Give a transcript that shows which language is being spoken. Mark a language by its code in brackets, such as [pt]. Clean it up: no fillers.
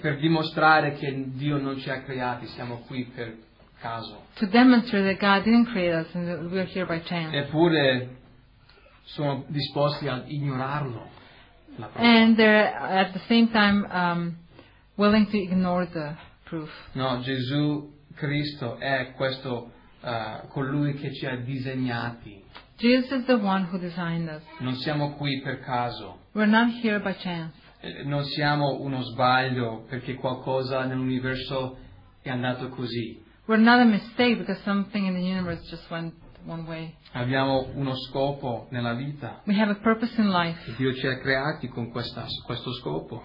[it] Per dimostrare che Dio non ci ha creati, siamo qui per caso. [en] To demonstrate that God didn't create us and that we are here by chance. [it] Eppure sono disposti ad ignorarlo. [en] And they're at the same time willing to ignore the proof. [it] No, Gesù Cristo è questo colui che ci ha disegnati. [en] Jesus is the one who designed us. [it] Non siamo qui per caso. [en] We're not here by chance. [it] Non siamo uno sbaglio perché qualcosa nell'universo è andato così. [en] We're not a mistake because something in the universe just went one way. [it] Abbiamo uno scopo nella vita. [en] We have a purpose in life. [it] E Dio ci ha creati con questo scopo.